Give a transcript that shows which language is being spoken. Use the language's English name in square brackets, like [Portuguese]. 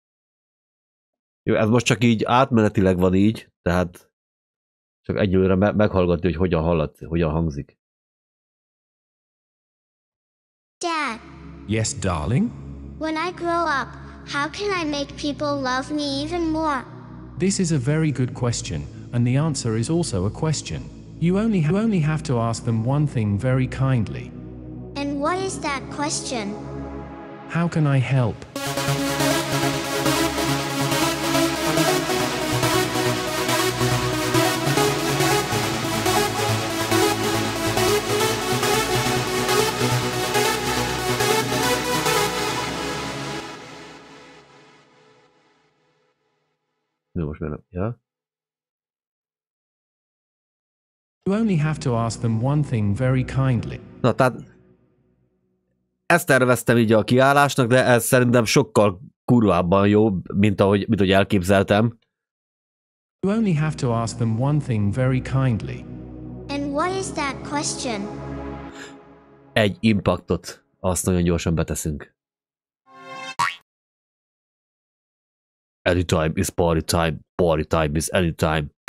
[English] Copy. [Hungarian] Jó, ez most csak így átmenetileg van így, tehát csak egyelőre meghallgatni, hogy hogyan hallatsz, hogyan hangzik. [English] Dad. Yes, darling? When I grow up, how can I make people love me even more? This is a very good question, and the answer is also a question. You only have to ask them one thing very kindly. And what is that question? How can I help? No, what's going on? Yeah. You only have to ask them one thing very kindly. Not that. [Hungarian] Ezt terveztem így a kiállásnak, de ez szerintem sokkal kurvábban jó, mint ahogy elképzeltem. [English] You only have to ask them one thing very kindly. And what is that question? [Hungarian] Egy impactot, azt nagyon gyorsan beteszünk. [English] Anytime is party time, party time is anytime.